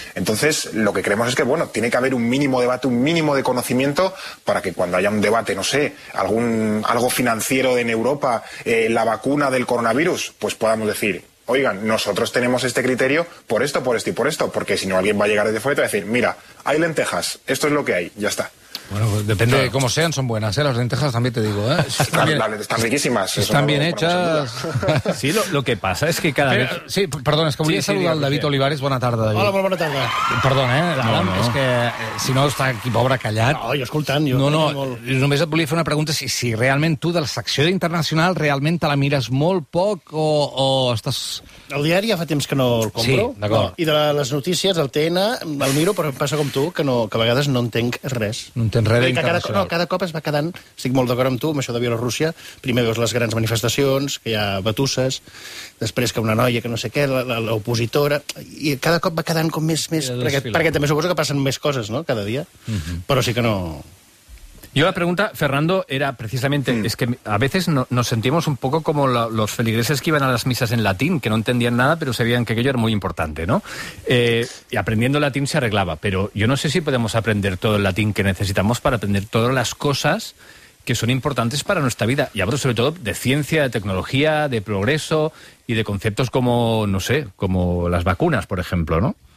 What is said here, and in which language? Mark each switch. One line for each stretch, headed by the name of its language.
Spanish: Entonces, lo que creemos es que, bueno, tiene que haber un mínimo debate, un mínimo de conocimiento, para que cuando haya un debate, no sé, algo financiero en Europa, la vacuna del coronavirus, pues podamos decir, oigan, nosotros tenemos este criterio por esto, por esto y por esto, porque si no alguien va a llegar desde fuera y va a decir, mira, hay lentejas, esto es lo que hay, ya está. Bueno, pues depende de cómo sean, son buenas, ¿eh? Las lentejas también te digo, ¿eh? Están riquísimas. Están bien hechas. Sí, lo que pasa es que cada vez... Sí, perdón, es que volia saludar al David Olivares.
Catalan: Bona tarda, David. Hola, bona tarda. Perdona, Adam, no. És que si no està aquí pobre callat... No, jo escoltant, jo... No, molt... Només et volia fer una pregunta, si realment tu de la secció internacional realment te la mires molt poc o estàs... El diari ja fa temps que no el compro. Sí, d'acord. I de les notícies, el TN, el miro, però passa com tu, que a vegades no entenc res. Cada cop es va quedant, estic molt d'acord amb tu, amb això de Bielorússia, primer veus les grans manifestacions, que hi ha batusses, després que una noia que no sé què, l'opositora, i cada cop va quedant com més perquè també suposo que passen més coses, no?, cada dia, però sí que no...
Spanish: Yo la pregunta, Fernando, era precisamente, es que a veces nos sentimos un poco como los feligreses que iban a las misas en latín, que no entendían nada, pero sabían que aquello era muy importante, ¿no? Y aprendiendo latín se arreglaba, pero yo no sé si podemos aprender todo el latín que necesitamos para aprender todas las cosas que son importantes para nuestra vida, y hablo sobre todo de ciencia, de tecnología, de progreso y de conceptos como, no sé, como las vacunas, por ejemplo, ¿no?